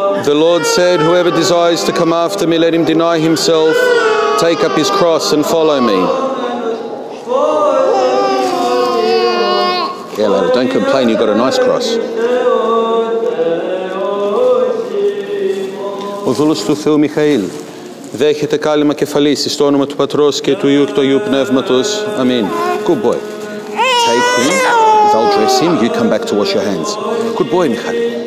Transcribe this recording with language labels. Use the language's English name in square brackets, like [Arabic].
[English] The Lord said, whoever desires to come after me, let him deny himself, take up his cross and follow me. Yeah, Lord, don't complain, you've got a nice cross. [Greek] Ο δούλος του Θεού Μιχαήλ δέχεται κάλυμα κεφαλής στο όνομα του Πατρός και του Υιού και του Αγίου Πνεύματος. Αμήν. [English] Good boy. Take him, they'll dress him, you come back to wash your hands. Good boy, Μιχαήλ.